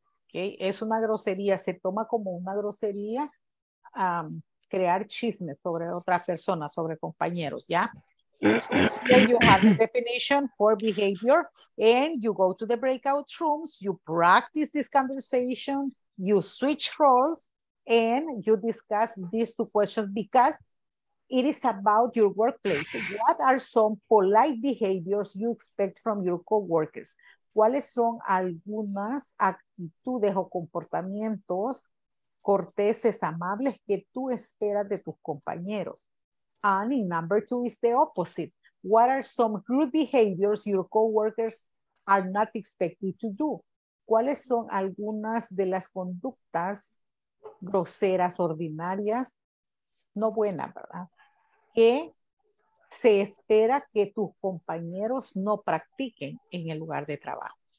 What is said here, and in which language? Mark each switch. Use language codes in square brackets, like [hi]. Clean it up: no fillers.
[es] Okay, es una grosería, se toma como una grosería. Crear chismes sobre otras personas, sobre compañeros, ¿ya? [en] Yeah? So you have the definition for behavior and you go to the breakout rooms, you practice this conversation, you switch roles, and you discuss these two questions because it is about your workplace. What are some polite behaviors you expect from your coworkers? [es] ¿Cuáles son algunas actitudes o comportamientos corteses, amables, que tú esperas de tus compañeros? [en] And in number two is the opposite. What are some rude behaviors your coworkers are not expected to do? [es] ¿Cuáles son algunas de las conductas groseras, ordinarias, no buenas, verdad? Que se espera que tus compañeros no practiquen en el lugar de trabajo.